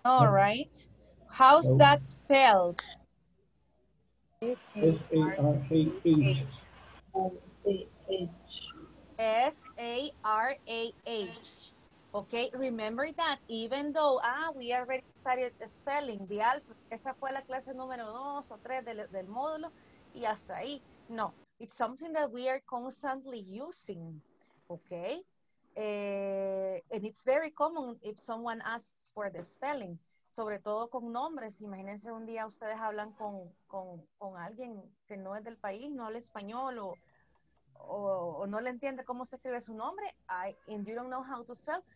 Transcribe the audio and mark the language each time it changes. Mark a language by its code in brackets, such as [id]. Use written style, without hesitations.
[en] All right. How's that spelled? S-A-R-A-H. S-A-R-A-H. Okay, remember that, even though, we already started spelling the alphabet. [es] Esa fue la clase número 2 o 3 del módulo, y hasta ahí. [en] No, it's something that we are constantly using, okay? And it's very common if someone asks for the spelling, [es] sobre todo con nombres. Imagínense un día ustedes hablan con alguien que no es del país, no habla español, o no le entiende cómo se escribe su nombre, [en] and you don't know how to spell.